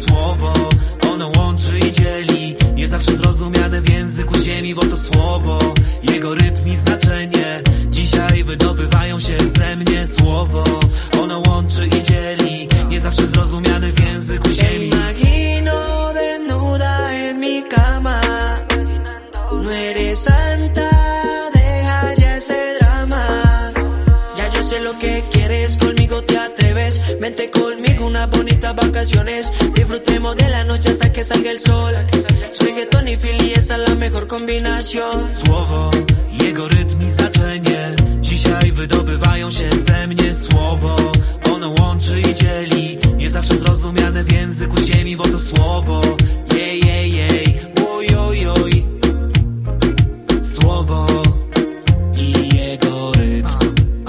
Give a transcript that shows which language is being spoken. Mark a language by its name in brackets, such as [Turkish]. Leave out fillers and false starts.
[Polish] Słowo, ono łączy i dzieli, nie zawsze zrozumiane w języku ziemi, bo to słowo, jego rytm i znaczenie, dzisiaj wydobywają się ze mnie. Słowo, ono łączy i dzieli, zawsze zrozumiany w języku ziemi. [Spanish] Te imagino desnuda en mi cama. No eres santa, deja ya ese drama. Ya yo sé lo que quieres, conmigo te atreves. Vente conmigo unas bonitas vacaciones. Disfrutemos de la noche hasta que salga el sol. Soy Getón y Philly, esa es la mejor combinación. [Polish] Słowo, jego rytm i znaczenie, dzisiaj wydobywają się ze mnie. Słowo, ono łączy i dzieli, nie zawsze zrozumiane w języku ziemi, bo to słowo, jej, jej, jej, ojojoj. Słowo i jego rytm.